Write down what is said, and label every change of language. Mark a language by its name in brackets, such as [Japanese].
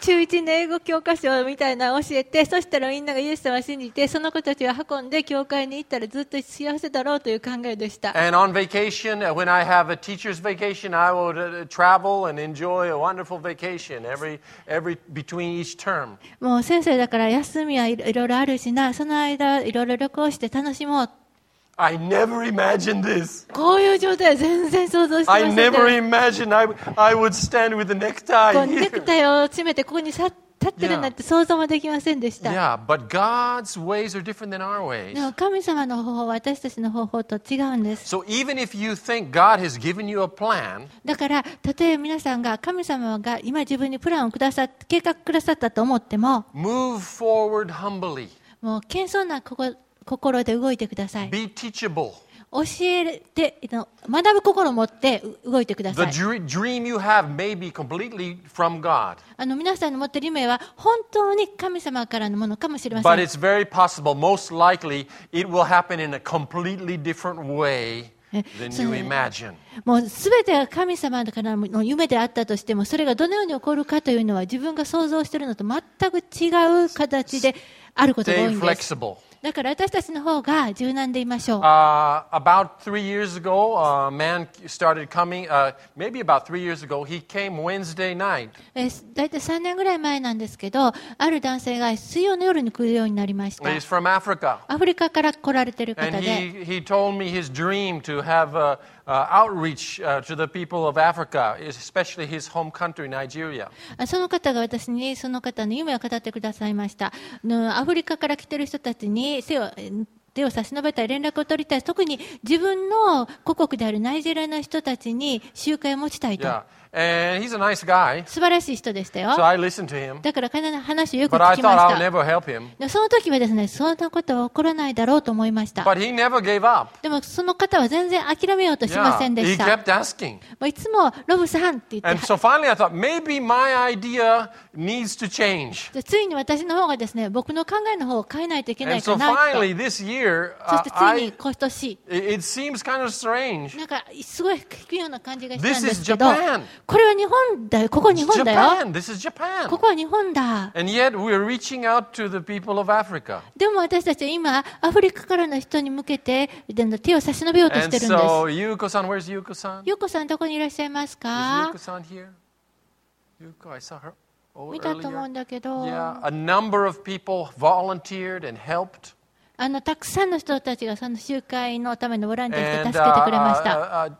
[Japanese] 中1の英語教科書みたいなのを教えて、そしたらみんながイエス様を信じて、その子たちを運んで教会に行ったらずっと幸せだろうという考えでした。 [English] And on vacation, when I have a teacher's vacation, I will travel and enjoy a wonderful vacation every between each term. [Japanese] もう先生だから休みはいろいろあるしな、その間いろいろ旅行して楽しもう。 [English] I never imagined this. [Japanese] こういう状態は全然想像してませんで。 [English] I never imagined I would stand with a necktie here. [Japanese] ネクタイを締めてここに立ってるなんて想像もできませんでした。 [English] Yeah, but God's ways are different than our ways. [Japanese] でも神様の方法は私たちの方法と違うんです。 [English] So even if you think God has given you a plan, [Japanese] だから例えば皆さんが神様が今自分にプランをくださった、計画くださったと思っても、 [English] move forward humbly. [Japanese] もう謙遜な心で動いてください。 [English] Be teachable. [Japanese] 教えて、学ぶ心を持って動いてください。 [English] The dream you have may be completely from God. [Japanese] 皆さんの持っている夢は本当に神様からのものかもしれません。 [English] But it's very possible, most likely, it will happen in a completely different way than you imagine. [Japanese] もう全てが神様からの夢であったとしても、それがどのように起こるかというのは自分が想像しているのと全く違う形であることが多いんです。 [English] Stay flexible. [Japanese] だから私たちの方が柔軟でいましょう。 [English] About 3 years ago, a man started coming. Maybe about 3 years ago, he came Wednesday night. [Japanese] だいたい3年ぐらい前なんですけど、ある男性が水曜の夜に来るようになりました。 [English] He's from Africa. [Japanese] アフリカから来られてる方で。 [English] And he told me his dream to have a, outreach to the people of Africa, especially his home country, Nigeria. [Japanese] その方が私にその方の夢を語ってくださいました。アフリカから来てる人たちに手を差し伸べたり連絡を取りたい、特に自分の故国であるナイジェリアの人たちに集会を持ちたいと。 [English] And he's a nice guy. [Japanese] 素晴らしい人でしたよ。 [English] So I listened to him. [Japanese] だから彼の話をよく聞きました。 [English] But I thought I'll never help him. [Japanese] その時はですね、そんなことは起こらないだろうと思いました。 [English] But he never gave up. [Japanese] でもその方は全然諦めようとしませんでした。 [English] Yeah. He kept asking. [Japanese] もういつもロブさんって言って。 [English] And so finally I thought maybe my idea needs to change. [Japanese] でついに私の方がですね、僕の考えの方を変えないといけないかなと。 [English] And so finally this year, [Japanese] そしてついに今年。 [English] It seems kind of strange. [Japanese] なんかすごい聞くような感じがしたんですけど。 [English] This is Japan. [Japanese] これは日本だよ。ここ日本だよ。 [English] Japan. This is Japan. [Japanese] ここは日本だ。 [English] And yet we're reaching out to the people of Africa. [Japanese] でも私たちは今アフリカからの人に向けて手を差し伸べようとしてるんです。 [English] And so, Yuko-san, where's Yuko-san? [Japanese] Yuko-san, どこにいらっしゃいますか? [English] Is Yuko-san here? Yuko, I saw her earlier. [Japanese] 見たと思うんだけど。 [English] Yeah, a number of people volunteered and helped. [Japanese] たくさんの人たちがその集会のためのボランティアで助けてくれました。